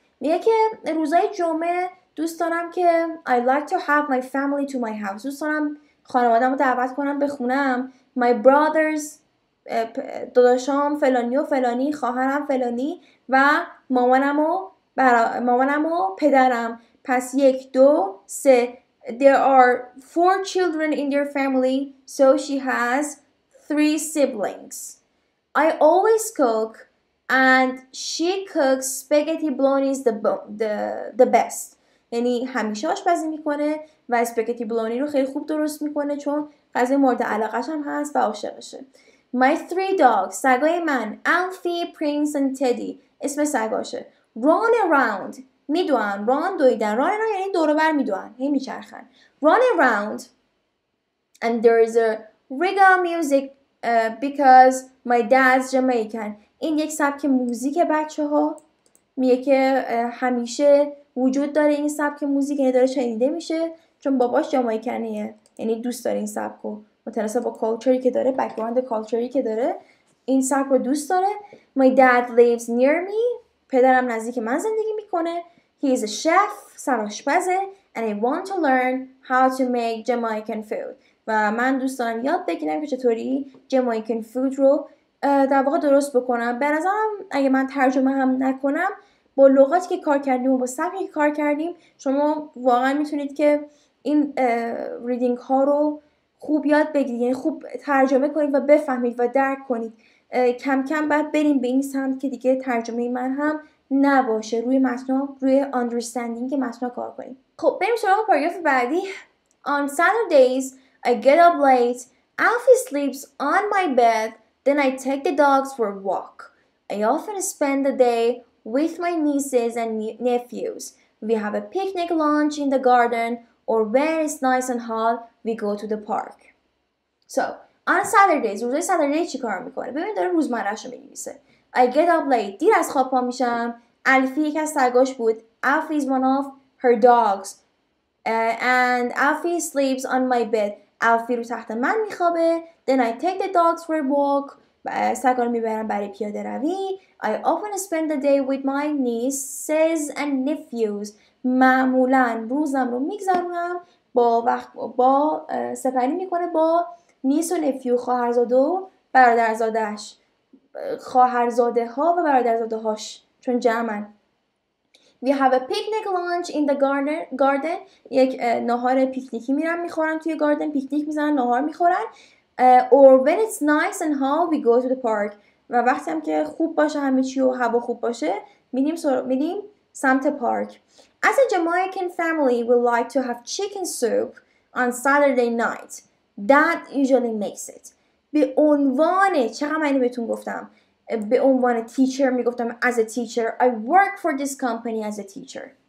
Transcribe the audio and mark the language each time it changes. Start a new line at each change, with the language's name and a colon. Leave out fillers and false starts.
Persian: میگه که روزای جمعه دوست دارم که
English: I like to have my family to my house.
Persian: دوست دارم خانوادم رو دعوت کنم به خونم.
English: My brothers,
Persian: داداشام فلانی و فلانی، خواهرم فلانی و مامانم و مامانم و پدرم.
English: پس 1 2 3 There are 4 children in your family, so she has 3 siblings. I always cook and she cooks spaghetti bolognese the best.
Persian: یعنی همیشه آشپزی میکنه و اسپاگتی بولونی رو خیلی خوب درست میکنه چون غذای مورد علاقه‌ش هم هست و عاشقشه.
English: My 3 dogs,
Persian: سگای من
English: Alfie, Prince and Teddy,
Persian: اسم سگاشه.
English: Run around,
Persian: میدوان، ران دویدن، ران را یعنی دور و بر میدوان، هی میچرخن.
English: Run around and there is a reggae music because my dad's Jamaican.
Persian: این یک سبک موزیک بچه ها میگه که همیشه وجود داره این سبک موزیک، یعنی داره شنیده میشه چون باباش جامائیکنیه، یعنی دوست داره این سبکو، متناسب با کالچری که داره، بک‌گراند کالچری که داره این سبک رو دوست داره.
English: My dad lives near me,
Persian: پدرم نزدیک من زندگی میکنه.
English: He is a chef,
Persian: سراشپزه.
English: And I want to learn how to make Jamaican food.
Persian: و من دوست دارم یاد بگیرم که چطوری
English: Jamaican food
Persian: رو در واقع درست بکنم. به نظرم اگه من ترجمه هم نکنم، با لغاتی که کار کردیم و با سبکی که کار کردیم، شما واقعا میتونید که این ریدینگ ها رو خوب یاد بگیرید، یعنی خوب ترجمه کنید و بفهمید و درک کنید. کم کم بعد بریم به این سمت که دیگه ترجمه من هم نباشه، روی متن، روی understanding که متن کار کنیم. خب بریم سراغ پاراگراف بعدی.
English: On Saturdays I get up late, Alfie sleeps on my bed, then I take the dogs for a walk. I often spend the day with my nieces and nephews. We have a picnic lunch in the garden or when it's nice and hot we go to the park. So on Saturdays,
Persian: روزای Saturday چی کار میکنه؟ ببین داره روزمرهش رو می‌نویسه.
English: I get up late,
Persian: دیر از خواب پا میشم.
English: Alfie
Persian: یکی از سگاش بود.
English: Alfie is one of her dogs. And Alfie sleeps on my bed. Alfie
Persian: رو تحت من میخوابه.
English: Then I take the dogs for a walk.
Persian: سگا رو میبرم برای پیاده روی.
English: I often spend the day with my nieces and nephews.
Persian: معمولا روزم رو میگذرونم با وقت با سپری میکنه با نیس و نفیو، خواهرزاده و برادرزادهش، خواهرزاده ها و برادرزاده هاش چون جمعن.
English: We have a picnic lunch in the garden.
Persian: یک نهار پیکنیکی میرن میخورن توی گاردن، پیکنیک میزنن، نهار میخورن.
English: Or when it's nice and hot we go to the park.
Persian: و وقتی هم که خوب باشه همه چی و هوا خوب باشه میریم سمت پارک.
English: As a Jamaican family we like to have chicken soup on Saturday night. That usually makes it.
Persian: به عنوان، چقدر من بهتون گفتم، به عنوان تیچر میگفتم،
English: as a teacher I work for this company as a teacher.